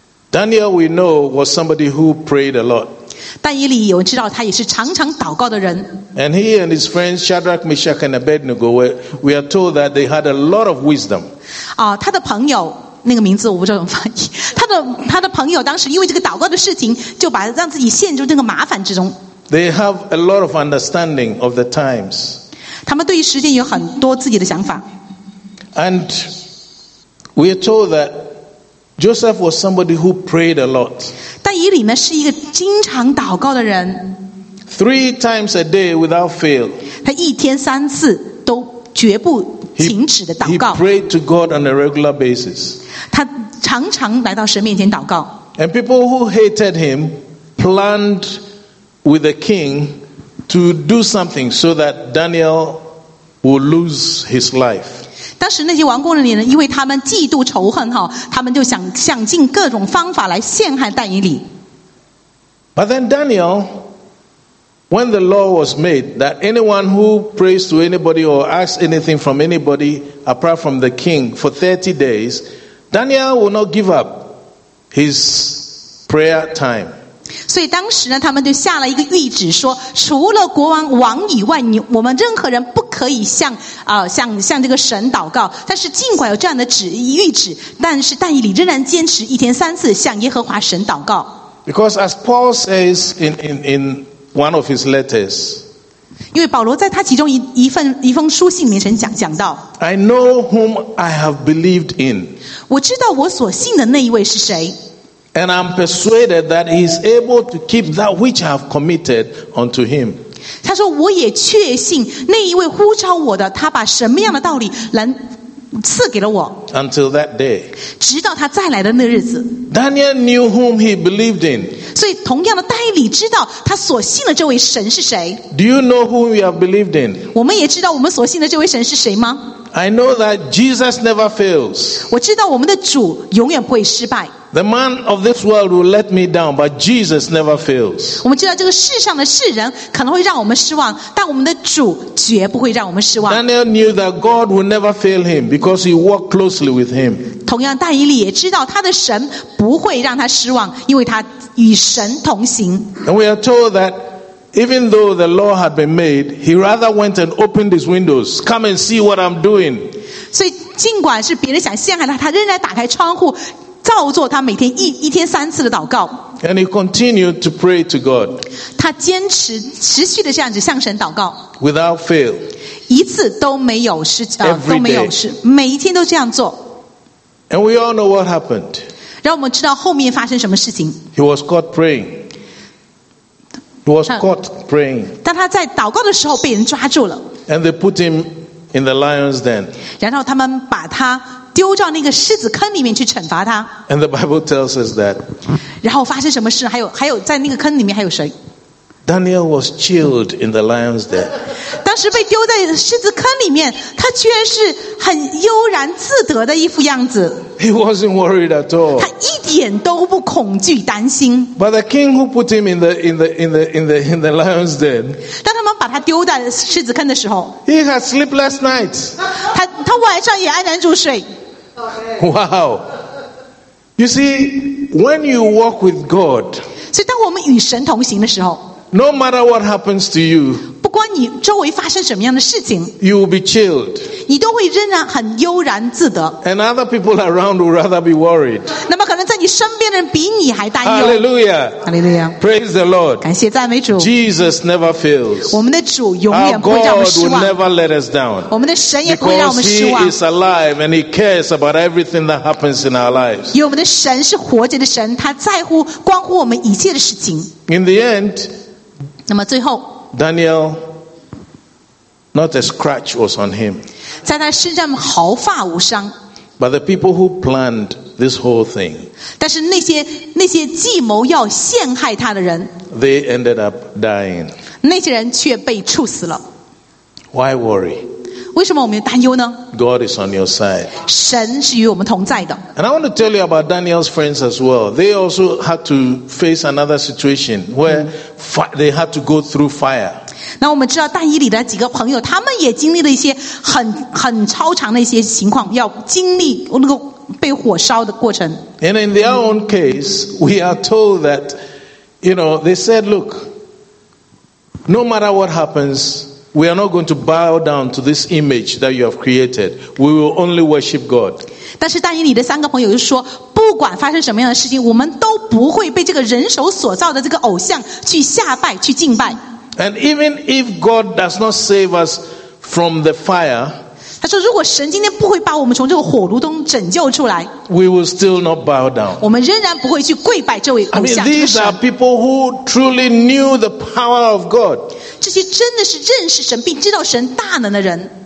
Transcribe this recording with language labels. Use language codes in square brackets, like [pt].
[en] Daniel, we know, was somebody who prayed a lot. [zh] 但以理有知道他也是常常祷告的人。 [en] And he and his friends Shadrach, Meshach and Abednego, we are told that they had a lot of wisdom. [zh] 他的朋友那个名字我不知道怎么翻译。他的朋友当时因为这个祷告的事情，就把让自己陷入这个麻烦之中。 [en] They have a lot of understanding of the times. [zh] 他们对于时间有很多自己的想法。 [en] And we are told that Joseph was somebody who prayed a lot. [zh] 但以理呢是一个经常祷告的人。 [en] Three times a day without fail. [zh] 他一天三次都绝不停止的祷告。 [en] He prayed to God on a regular basis. [zh] 他常常来到神面前祷告。 [en] And people who hated him planned with the king to do something so that Daniel would lose his life. [zh] 当时那些王宫里人因为他们嫉妒仇恨，他们就想想尽各种方法来陷害但以理。 [en] But then Daniel, when the law was made that anyone who prays to anybody or asks anything from anybody apart from the king for 30 days,Daniel will not give up his prayer time. [zh] 所以当时呢，他们就下了一个谕旨，说除了国王王以外，我们任何人不可以向这个神祷告。但是尽管有这样的谕旨，但是但以理仍然坚持一天三次向耶和华神祷告。 [en] Because as Paul says in one of his letters, [zh] 因为保罗在他其中一封书信里面曾讲到 [en] ，I know whom I have believed in. [zh] 我知道我所信的那一位是谁。 [en] And I'm persuaded that he is able to keep that which I have committed unto him. [zh] 他说我也确信那一位呼召我的，他把什么样的道理能赐给了我。 [en] Until that day. [zh] 直到他再来的那日子。 [en] Daniel knew whom he believed in. [zh] 所以同样的但以理知道他所信的这位神是谁。 [en] Do you know whom you have believed in? [zh] 我们也知道我们所信的这位神是谁吗？ [en] I know that Jesus never fails. [zh] 我知道我们的主永远不会失败。 [en] The man of this world will let me down, but Jesus never fails. [zh] 我们知道这个世上的世人可能会让我们失望，但我们的主绝不会让我们失望。 [en] Daniel knew that God would never fail him because he walked closely with him. [zh] 同样，但以理也知道他的神不会让他失望，因为他与神同行。 [en] And we are told that. Even though the law had been made, he rather went and opened his windows. Come and see what I'm doing. [zh] 所以尽管是别人想陷害他，他仍然打开窗户，照做他每天一天三次的祷告。 [en] And he continued to pray to God. [zh] 他坚持持续的这样子向神祷告。 [en] Without fail. [zh] 一次都没有失都没有失，每一天都这样做。 [en] And we all know what happened. [zh] 让我们知道后面发生什么事情。 [en] He was caught praying. He was caught praying. [zh] 当他在祷告的时候被人抓住了。 [en] And they put him in the lion's den. [zh] 然后他们把他丢到那个狮子坑里面去惩罚他。 [en] And the Bible tells us that. [zh] 然后发生什么事？还有在那个坑里面还有谁？ [en] Daniel was chilled in the lion's den. [zh] 当时被丢在狮子坑里面，他居然是很悠然自得的一副样子。 [en] He wasn't worried at all. [zh] 他一点都不恐惧担心。 [en] But the king who put him in the lion's den. [zh] 当他们把他丢在狮子坑的时候， [en] He had sleep last night. [zh] 他晚上也安然入睡。 [en] Wow. You see, when you walk with God, [zh] 所以当我们与神同行的时候， [en] no matter what happens to you, [zh] 不管你周围发生什么样的事情， [en] you will be chilled. [zh] 你都会仍然很悠然自得。 [en] And other people around will rather be worried. [zh] 那么可能在你身边的人比你还担忧。 [en] Hallelujah. Hallelujah. Praise the Lord. [zh] 感谢赞美主。 [en] Jesus never fails. [zh] 我们的主永远不会让我们失望。 [en] Our God will never let us down. [zh] 我们的神也不会让我们失望。 [en] Because He is alive and He cares about everything that happens in our lives. [zh] 因为我们的神是活着的神，他在乎关乎我们一切的事情。 [en] In the end, [zh] 那么最后， [en] Daniel, not a scratch was on him. [zh] 在他身上毫发无伤。 [en] But the people who planned this whole thing, [zh] 但是那些计谋要陷害他的人， [en] they ended up dying. [zh] 那些人却被处死了。 [en] Why worry? [zh] 为什么我们担忧呢？ [en] God is on your side. [zh] 神是与我们同在的。 [en] And I want to tell you about Daniel's friends as well. They also had to face another situation where they had to go through fire. [zh] 那我们知道但以理的几个朋友，他们也经历了一些很超常的一些情况，要经历那个被火烧的过程。 [en] And in their own case, we are told that, you know, they said, look, no matter what happens, we are not going to bow down to this image that you have created. We will only worship God. [zh] 但是但以理的三个朋友就说，不管发生什么样的事情，我们都不会被这个人手所造的这个偶像去下拜，去敬拜。 [en] And even if God does not save us from the fire, [zh] 他说如果神今天不会把我们从这个火炉中拯救出来， [en] we will still not bow down. [zh] 我们仍然不会去跪拜这位偶像。 [en] I mean, these are people who truly knew the power of God. [zh] 这些真的是认识神并知道神大能的人。